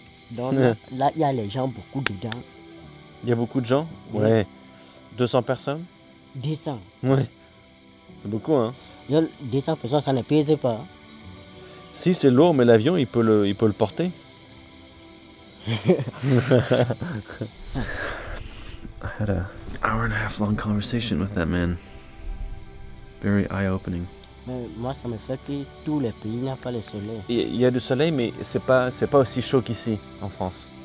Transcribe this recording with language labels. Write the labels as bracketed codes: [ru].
[fr] Donc là, il y a les gens beaucoup dedans. Il y a beaucoup de gens? Ouais. 200 personnes? 200. Ouais. C'est beaucoup, hein? 200 personnes, ça ne pèse pas. Si, c'est lourd, mais l'avion, il peut le porter. [en] I had an hour and a half long conversation with that man. Very eye-opening. [fr] Moi, ça me fait que tous les pays n'ont pas le soleil. Il y a du soleil, mais c'est pas aussi chaud qu'ici, en France.